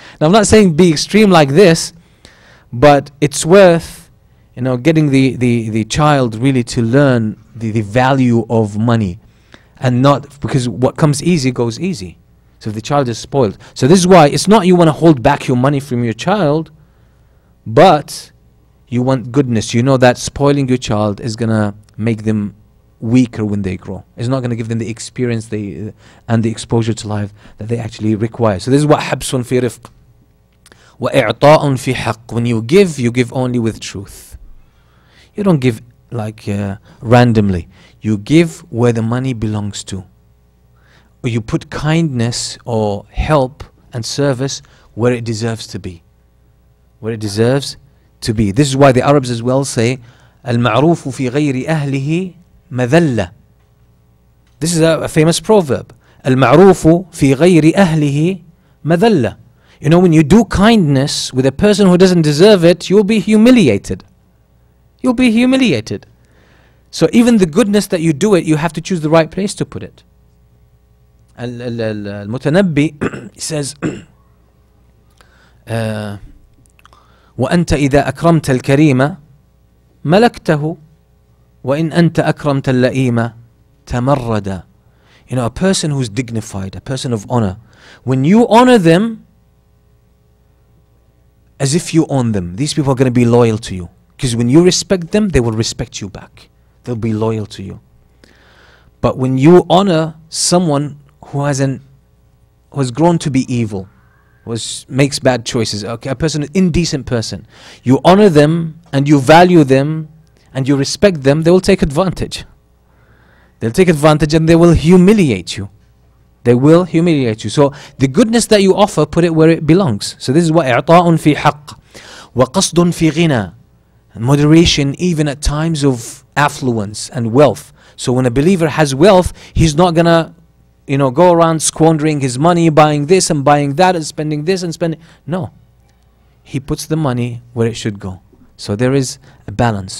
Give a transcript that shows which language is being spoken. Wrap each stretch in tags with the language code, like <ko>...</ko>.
<en>Now I'm not saying be extreme like this, but it's worth, you know, getting the child really to learn the value of money, and not, because what comes easy goes easy. So the child is spoiled. So this is why it's not you want to hold back your money from your child, but you want goodness. You know that spoiling your child is going to make them weaker when they grow. It's not going to give them the experience and the exposure to life that they actually require. So this is what</en> <ar>حَبْسٌ فِي رِفْقٍ وَإِعْطَاءٌ فِي حَقٍ.</ar> <en>When you give only with truth. You don't give like randomly. You give where the money belongs to. Or you put kindness or help and service where it deserves to be. Where it deserves to be. This is why the Arabs as well say,</en> <ar>Al-Ma'rufu fi ghayri ahlihi madhalla.</ar> <en>This is a famous proverb.</en> <ar>Al-Ma'rufu fi ghayri ahlihi madhalla.</ar> <en>You know, when you do kindness with a person who doesn't deserve it, you'll be humiliated. You'll be humiliated. So even the goodness that you do it, you have to choose the right place to put it.</en> <ar>المتنبي</ar> <en>says</en> <ar>وأنت إذا أكرمت الكريم ملكته وإن أنت أكرمت اللئيم تمرد.</ar> <en>You know, a person who is dignified, a person of honor, when you honor them as if you own them, these people are going to be loyal to you, because when you respect them, they will respect you back. They'll be loyal to you. But when you honor someone who has grown to be evil, makes bad choices, okay, a person, an indecent person, you honor them and you value them and you respect them, they will take advantage. They'll take advantage and they will humiliate you. They will humiliate you. So the goodness that you offer, put it where it belongs. So this is what</en> <ar>إعطاءٌ فِي حَقٍ وَقَصْدٌ فِي غِنَى.</ar> <en>Moderation even at times of affluence and wealth. So when a believer has wealth, he's not going to, you know, go around squandering his money, buying this and buying that and spending this and spending. No. he puts the money where it should go. So there is a balance.</en>